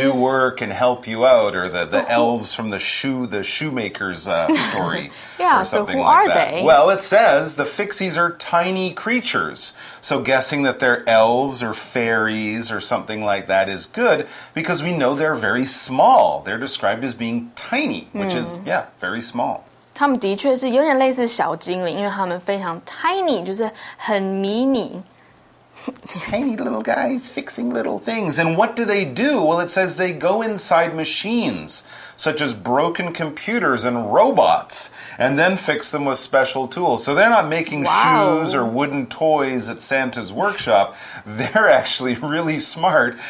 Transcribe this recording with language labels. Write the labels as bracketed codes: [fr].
[en] That do work and help you out, or the elves from the shoemaker's story. Yeah, or something so who、 like、 are、 Well, it says the Fixies are tiny creatures, so guessing that they're elves or fairies or something like that is good, because we know they're very small. They're described as being tiny, which、mm. is, yeah, very small. [zh] 他们的确是有点类似小精灵，因为他们非常 tiny， 就是很迷你。 [en] Tiny little guys fixing little things. And what do they do? Well, it says they go inside machines, such as broken computers and robots, and then fix them with special tools. So they're not making、 wow. shoes or wooden toys at Santa's workshop. They're actually really smart.